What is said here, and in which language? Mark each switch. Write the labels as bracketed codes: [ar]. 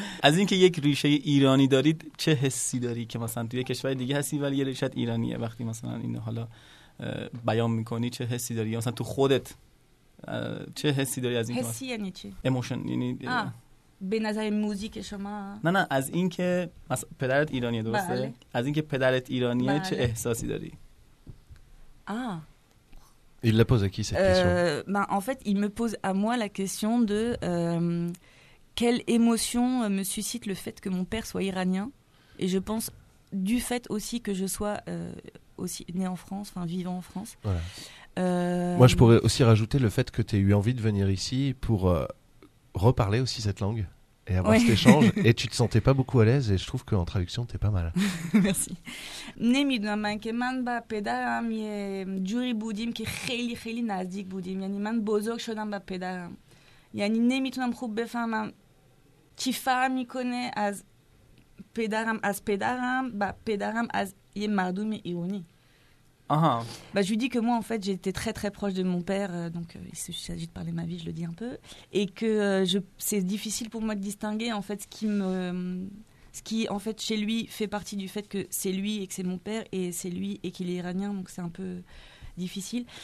[fa] از اینکه یک ریشه ایرانی دارید چه حسی داری که مثلا توی کشور دیگه هستی ولی یه ریشه ایرانیه، وقتی مثلا این حالا بیان می‌کنی چه حسی داری، مثلا تو خودت چه حسی داری از این؟ حسی یعنی چی؟ اموشن، یعنی به نظر موزیک شما؟ نه از این که پدرت ایرانیه، درسته؟ بله. از این که پدرت ایرانیه، بله. چه احساسی داری؟ [fr] Il la pose à qui cette question? En fait, il me pose à moi la question de quelle émotion me suscite le fait que mon père soit iranien, et je pense du fait aussi que je sois aussi né en France, enfin vivant en France. Voilà. Moi, je pourrais aussi rajouter le fait que tu aies eu envie de venir ici pour reparler aussi cette langue et avoir, ouais, cet échange. Et tu te sentais pas beaucoup à l'aise, et je trouve qu'en traduction, t'es pas mal. Merci. [fa] نمیدونم من که من با پدرم یه جوری بودیم که خیلی خیلی نزدیک بودیم، یعنی من بزرگ شدم با پدرم، یعنی نمیتونم خوب بفهمم چی فرق میکنه از پدرم، از پدرم با پدرم، از یه مردم ایرانی. [fr] Bah, je lui dis que moi, en fait, j'étais très très proche de mon père, donc il s'agit de parler ma vie, je le dis un peu, et que c'est difficile pour moi de distinguer en fait ce qui en fait chez lui fait partie du fait que c'est lui et que c'est mon père, et c'est lui et qu'il est iranien, donc c'est un peu difficile.